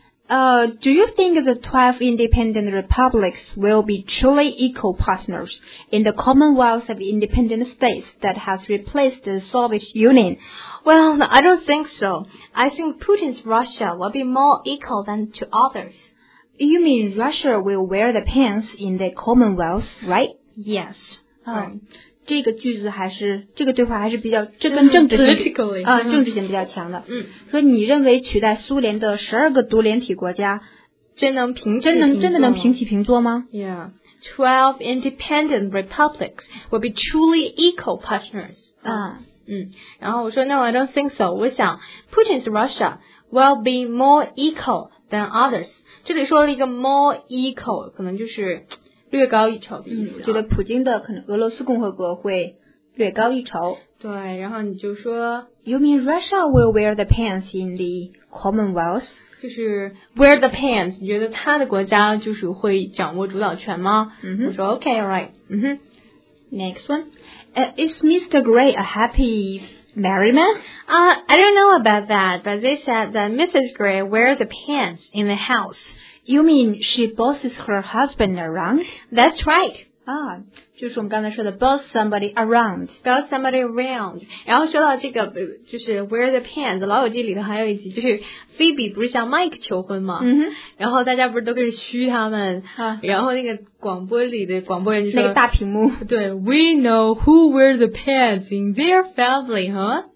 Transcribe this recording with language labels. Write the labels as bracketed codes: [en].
[en] Do you think the 12 independent republics will be truly equal partners in the Commonwealth of Independent States that has replaced the Soviet Union? Well, I don't think so. I think Putin's Russia will be more equal than to others. You mean Russia will wear the pants in the Commonwealth, right? Yes. [zh] 这个句子还是这个对话还是比较这跟政治性政治性比较强的。说你认为取代苏联的十二个独联体国家真的能平起平坐吗 [en] ？Yeah, 12 independent republics will be truly equal partners. [zh] 然后我说 [en] No, I don't think so. [zh] 我想 [en] Putin's Russia will be more equal than others. [zh] 这里说了一个 [en] more equal， [zh] 可能就是。略高一筹的意思，觉得普京的可能俄罗斯共和国会略高一筹。对，然后你就说 [en] ，You mean Russia will wear the pants in the Commonwealth？ [zh] 就是 [en] wear the pants， [zh] 你觉得他的国家就是会掌握主导权吗？嗯哼， [en] 我说 OK， all right， 嗯哼，Next one， is Mr. Gray a happy married man？ I don't know about that， but they said that Mrs. Gray wear the pants in the house。 You mean she bosses her husband around? That's right. [zh] 就是我们刚才说的 [en] boss somebody around. Boss somebody around. [zh] 然后说到这个就是 [en] wear the pants, [zh] 老友记里头还有一集就是 Phoebe 不是向 Mike 求婚吗、 mm-hmm. 然后大家不是都跟着嘘他们、然后那个广播里的广播员就说那个大屏幕对 [en] We know who wear the pants in their family, huh?